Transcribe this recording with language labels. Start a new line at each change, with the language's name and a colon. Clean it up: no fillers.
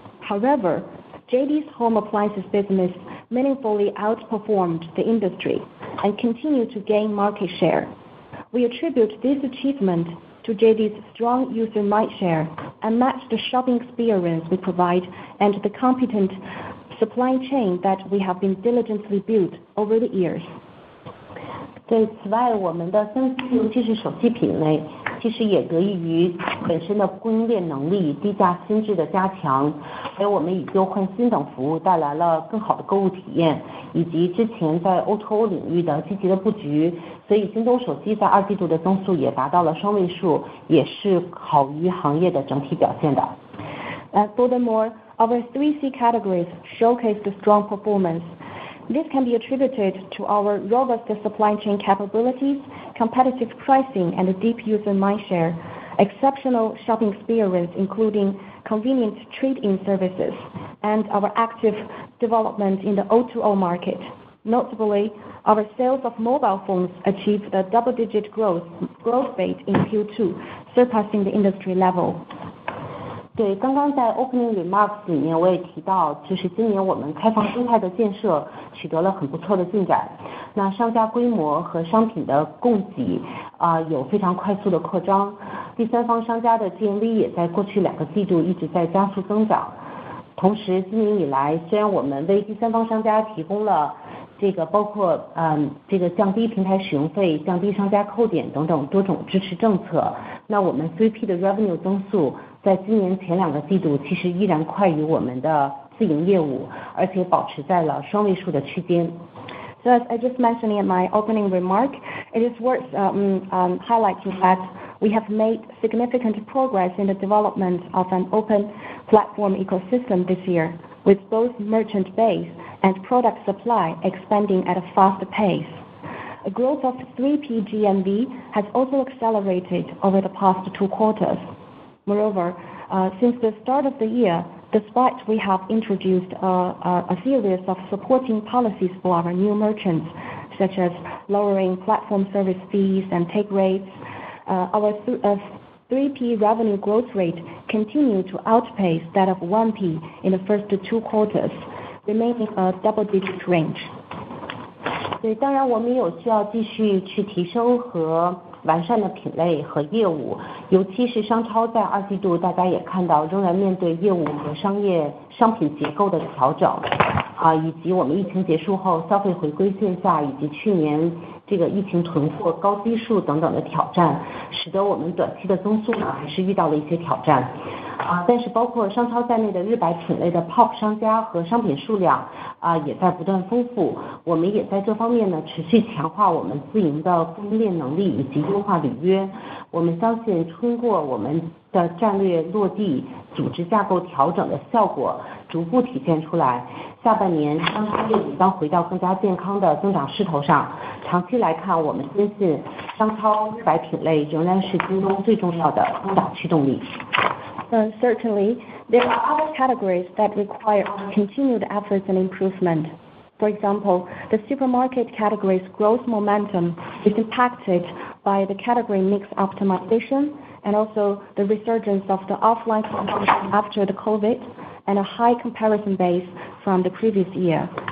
English: However, JD's home appliances business meaningfully outperformed the industry and continued to gain market share. We attribute this achievement to JD's strong user mindshare and match the shopping experience we provide and the competent supply chain that we have been diligently built over the years.
Chinese: 对，此外，我们的三 C 尤其是手机品类，其实也得益于本身的供应链能力、低价心智的加强，还有我们以旧换新等服务带来了更好的购物体验，以及之前在 O2O 领域的积极的布局，所以京东手机在二季度的增速也达到了双位数，也是好于行业的整体表现的。
English: Furthermore, our 3C categories showcased strong performance. This can be attributed to our robust supply chain capabilities, competitive pricing and deep user mindshare, exceptional shopping experience including convenient trade-in services, and our active development in the O2O market. Notably, our sales of mobile phones achieved a double-digit growth rate in Q2, surpassing the industry level.
Chinese: 对，刚刚在
English: opening remarks
Chinese: 里面我也提到，就是今年我们开放生态的建设取得了很不错的进展，那商家规模和商品的供给有非常快速的扩张，第三方商家的 GMV 也在过去两个季度一直在加速增长。同时今年以来，虽然我们为第三方商家提供了这个包括这个降低平台使用费、降低商家扣点等等多种支持政策，那我们 3P 的 revenue 增速在今年前两个季度其实依然快于我们的自营业务，而且保持在了双位数的区间。
English: So as I just mentioned in my opening remark, it is worth highlighting that we have made significant progress in the development of an open platform ecosystem this year, with both merchant base and product supply expanding at a fast pace. A growth of 3P GMV has also accelerated over the past two quarters. Moreover, since the start of the year, despite we have introduced a series of supporting policies for our new merchants, such as lowering platform service fees and take rates, our 3P revenue growth rate continued to outpace that of 1P in the first two quarters, remaining a double-digit range.
Chinese: 对，当然我们有需要继续去提升和完善的品类和业务，尤其是商超在二季度大家也看到仍然面对业务和商业商品结构的调整，以及我们疫情结束后消费回归线下，以及去年 J 这个疫情囤货高基数等等的挑战，使得我们短期的增速呢还是遇到了一些挑战。但是包括商超在内的日百品类的 POP 商家和商品数量也在不断丰富，我们也在这方面呢持续强化我们自营的供应链能力以及优化履约。我们相信通过我们的战略落地，组织架构调整的效果逐步体现出来，下半年商超业绩将回到更加健康的增长势头上。长期来看，我们坚信商超日百品类仍然是京东最重要的增长驱动力。
English: Certainly, there are other categories that require continued efforts and improvement. For example, the supermarket category's growth momentum is impacted by the category mix optimization and also the resurgence of the offline consumption after the COVID and a high comparison base from the previous year.